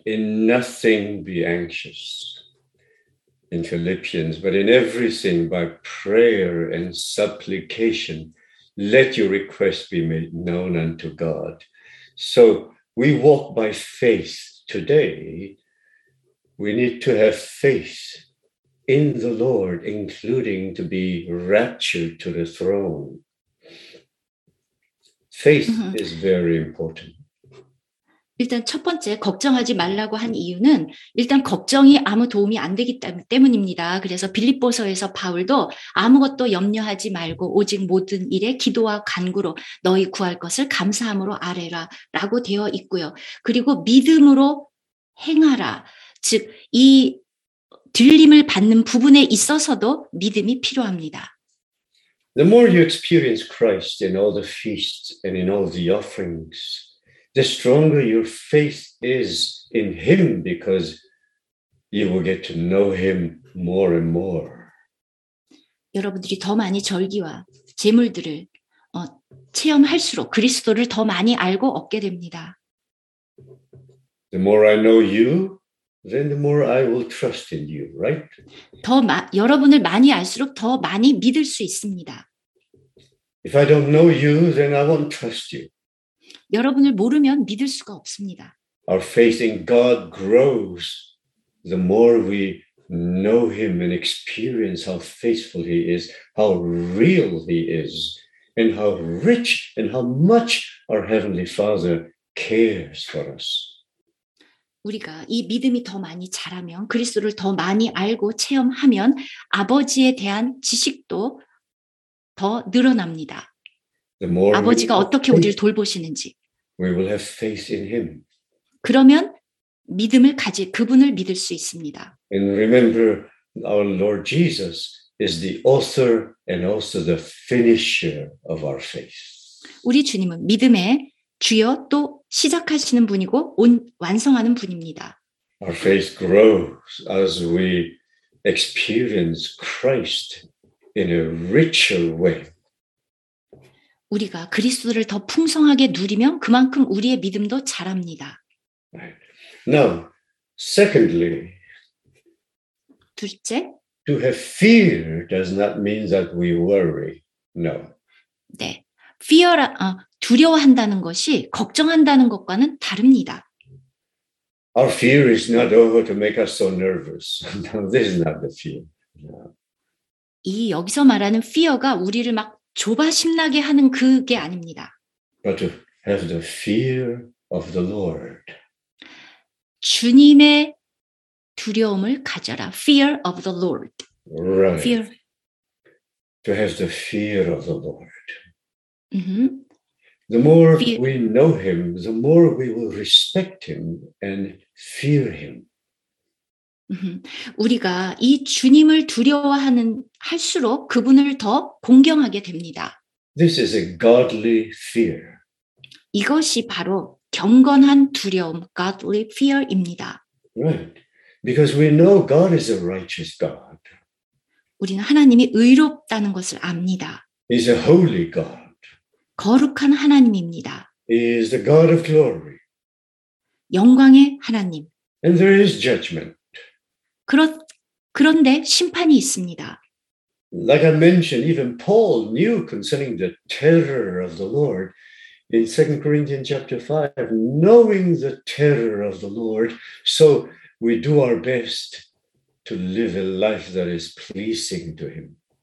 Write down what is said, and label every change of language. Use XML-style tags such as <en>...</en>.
<en>In nothing be anxious, in Philippians, but in everything by prayer and supplication, let your requests be made known unto God. So we walk by faith today. We need to have faith in the Lord, including to be raptured to the throne. Faith is very important.</en> <ko>일단 첫 번째 걱정하지 말라고 한 이유는 일단 걱정이 아무 도움이 안 되기 때문입니다. 그래서 빌립보서에서 바울도 아무것도 염려하지 말고 오직 모든 일에 기도와 간구로 너희 구할 것을 감사함으로 아뢰라 라고 되어 있고요. 그리고 믿음으로 행하라. 즉 이 들림을 받는 부분에 있어서도 믿음이 필요합니다.</ko> <en>The more you experience Christ in all the feasts and in all the offerings, the stronger your faith is in Him, because you will get to know Him more and more.</en> <ko>여러분들이 더 많이 절기와 제물들을 체험할수록 그리스도를 더 많이 알고 얻게 됩니다.</ko> <en>The more I know you, then the more I will trust in you, right?</en> <ko>여러분을 많이 알수록 더 많이 믿을 수 있습니다.</ko> <en>If I don't know you, then I won't trust you.</en> <ko>여러분을 모르면 믿을 수가 없습니다.</ko> <en>Our faith in God grows the more we know Him and experience how faithful He is, how real He is, and how rich and how much our Heavenly Father cares for us.</en> <ko>우리가 이 믿음이 더 많이 자라면, 그리스도를 더 많이 알고 체험하면 아버지에 대한 지식도 더 늘어납니다. 아버지가 어떻게 우리를 돌보시는지.</ko> <en>We will have faith in Him.</en> <ko>그러면 믿음을 가지 그분을 믿을 수 있습니다.</ko> <en>And remember, our Lord Jesus is the author and also the finisher of our faith.</en> <ko>우리 주님은 믿음의 주여 또 시작하시는 분이고 온 완성하는 분입니다.</ko> <en>Our faith grows as we experience Christ in a richer way.</en> <ko>우리가 그리스도를 더 풍성하게 누리면 그만큼 우리의 믿음도 자랍니다.</ko> <en>Now, secondly,</en> <ko>둘째,</ko> <en>to have fear does not mean that we worry. No.</en> <ko>네, fear 두려워한다는 것이 걱정한다는 것과는 다릅니다.</ko> <en>Our fear is not over to make us so nervous. This is not the fear. No.</en> <ko>이 여기서 말하는 fear가 우리를 막 조바심나게 하는 그게 아닙니다.</ko> <en>But to have the fear of the Lord.</en> <ko>주님의 두려움을 가져라.</ko> <en>Fear of the Lord. Right. Fear. To have the fear of the Lord. Mm-hmm. The more fear. We know Him, the more we will respect Him and fear Him.</en> <ko>우리가 이 주님을 두려워하는 할수록 그분을 더 공경하게 됩니다.</ko> <en>This is a godly fear.</en> <ko>이것이 바로 경건한 두려움,</ko> <en>godly fear</en> <ko>입니다.</ko> <en>Right. Because we know God is a righteous God.</en> <ko>우리는 하나님이 의롭다는 것을 압니다.</ko> <en>He's a holy God.</en> <ko>거룩한 하나님입니다.</ko> <en>He is the God of glory.</en> <ko>영광의 하나님.</ko> <en>And there is judgment.</en> <ko>그런데 심판이 있습니다.</ko> <en>Like I mentioned, even Paul knew concerning the terror of the Lord in 2 Corinthians chapter 5, knowing the terror of the Lord, so we do our best to live a life that is pleasing to Him.</en>